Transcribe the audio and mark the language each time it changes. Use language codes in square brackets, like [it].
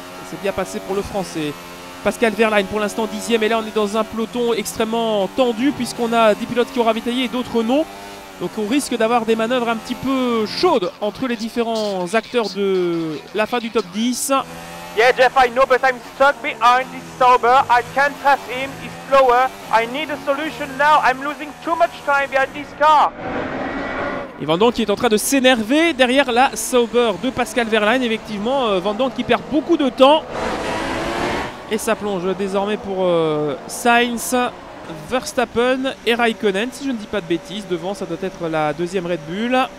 [fr] C'est bien passé pour le français. Pascal Wehrlein pour l'instant 10e. Et là on est dans un peloton extrêmement tendu puisqu'on a des pilotes qui ont ravitaillé et d'autres non. Donc on risque d'avoir des manœuvres un petit peu chaudes entre les différents acteurs de la fin du top 10. [en] Yeah Jeff, I know, but I'm stuck behind this Sauber. I can't pass him. He's slower. I need a solution now. I'm losing too much time behind this car. [fr] Vendon qui est en train de s'énerver derrière la Sauber de Pascal Wehrlein. Effectivement, Vendon qui perd beaucoup de temps. Et ça plonge désormais pour Sainz, Verstappen et Raikkonen. Si je ne dis pas de bêtises, devant ça doit être la deuxième Red Bull.